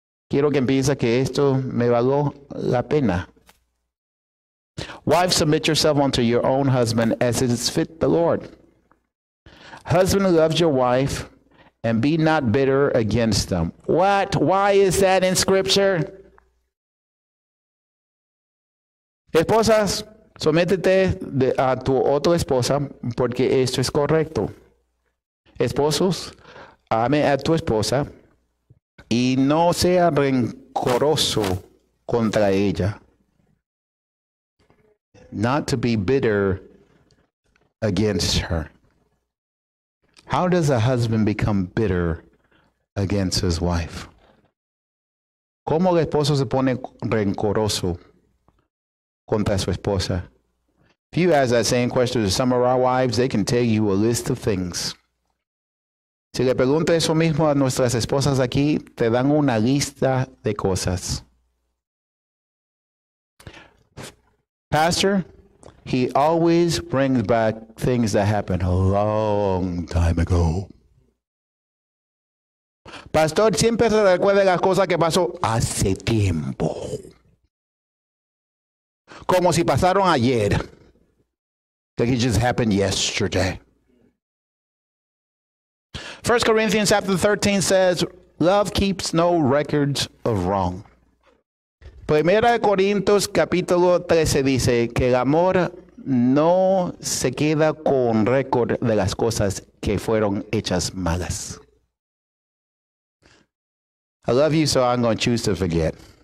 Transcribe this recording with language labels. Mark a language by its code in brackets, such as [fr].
[es] Quiero que empiece que esto me valió la pena. [en] Wives, submit yourself unto your own husband as it is fit the Lord. Husband, love your wife and be not bitter against them. What? Why is that in scripture? [es] Esposas, sométete a tu otra esposa porque esto es correcto. Esposos, ame a tu esposa y no sea rencoroso contra ella. [en] Not to be bitter against her. How does a husband become bitter against his wife? [es] ¿Cómo el esposo se pone rencoroso contra su esposa? [en] If you ask that same question to some of our wives, they can tell you a list of things. [es] Si le pregunto eso mismo a nuestras esposas aquí, te dan una lista de cosas. [en] Pastor, he always brings back things that happened a long time ago. [es] Pastor, siempre se recuerda las cosas que pasó hace tiempo. Como si pasaron ayer. [en] Like it just happened yesterday. 1 Corinthians chapter 13 says, love keeps no records of wrong. [es] Primera Corintios capítulo 13 dice que el amor no se queda con récord de las cosas que fueron hechas malas. [en] I love you, so I'm going to choose to forget.